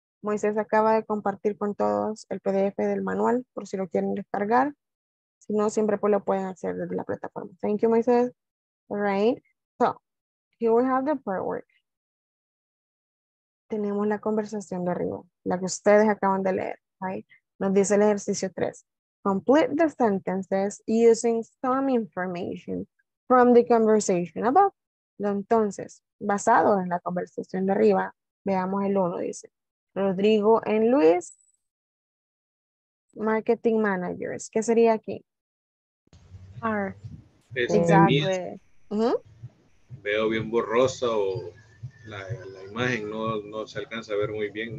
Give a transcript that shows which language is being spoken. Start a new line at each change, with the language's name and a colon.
Spanish: Moisés acaba de compartir con todos el PDF del manual, por si lo quieren descargar. Si no, siempre pues lo pueden hacer desde la plataforma.
English: Thank you, Moisés. All right. So, here we have the part work.
Spanish: Tenemos la conversación de arriba, la que ustedes acaban de leer.
English: Right?
Spanish: Nos dice el ejercicio 3.
English: Complete the sentences using some information from the conversation above.
Spanish: Entonces, basado en la conversación de arriba, veamos el 1, dice.
English: Rodrigo and Luis, marketing managers.
Spanish: ¿Qué sería aquí?
English: Are.
Spanish: Veo bien borrosa o la imagen no se alcanza a ver muy bien.